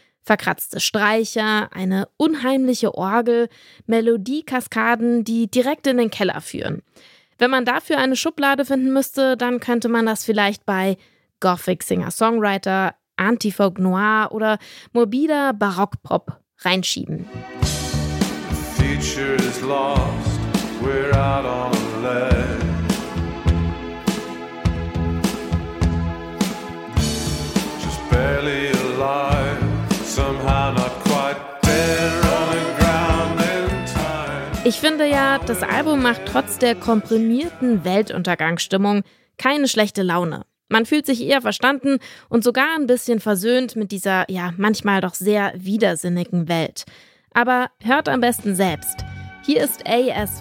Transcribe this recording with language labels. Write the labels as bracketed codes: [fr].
[de] Verkratzte Streicher, eine unheimliche Orgel, Melodiekaskaden, die direkt in den Keller führen. Wenn man dafür eine Schublade finden müsste, dann könnte man das vielleicht bei Gothic Singer-Songwriter, Antifolk Noir oder morbider Barockpop reinschieben. [en] Future is lost, we're out on a ledge. Just barely alive, somehow not quite dead, running ground in time. [de] Ich finde ja, das Album macht trotz der komprimierten Weltuntergangsstimmung keine schlechte Laune. Man fühlt sich eher verstanden und sogar ein bisschen versöhnt mit dieser, ja, manchmal doch sehr widersinnigen Welt. Aber hört am besten selbst. Hier ist A.S.